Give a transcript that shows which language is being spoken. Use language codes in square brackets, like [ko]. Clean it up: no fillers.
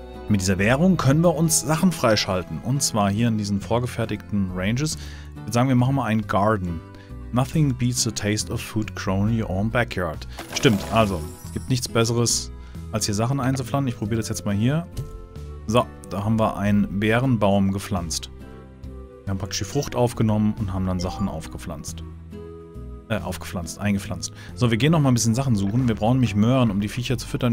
[de] Mit dieser Währung können wir uns Sachen freischalten. Und zwar hier in diesen vorgefertigten Ranges. Jetzt sagen wir, machen wir einen Garden. [en] Nothing beats the taste of food grown in your own backyard. [de] Stimmt, also, es gibt nichts Besseres, als hier Sachen einzupflanzen. Ich probiere das jetzt mal hier. So, da haben wir einen Beerenbaum gepflanzt. Wir haben praktisch die Frucht aufgenommen und haben dann Sachen aufgepflanzt. Eingepflanzt. So, wir gehen noch mal ein bisschen Sachen suchen. Wir brauchen nämlich Möhren, um die Viecher zu füttern.